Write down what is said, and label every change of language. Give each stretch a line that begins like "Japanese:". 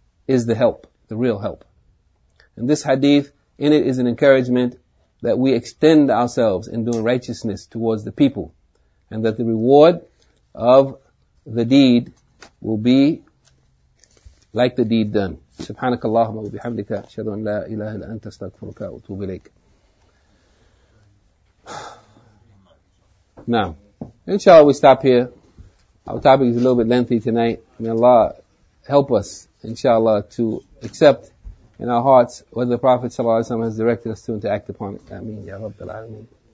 English: is the help, the real help. And this hadith, in it is an encouragement that we extend ourselves in doing righteousness towards the people, and that the reward of the deed will be like the deed done.
Arabic: سبحانك اللهم وبحمدك أشهد أن لا إله إلا أنت أستغفرك وأتوب إليك.
English: Now, inshallah, we stop here. Our topic is a little bit lengthy tonight. May Allah help us, inshallah, to accept in our hearts what the Prophet ﷺ has directed us to and to act upon it. Ameen. Ya Rabbil Alameen.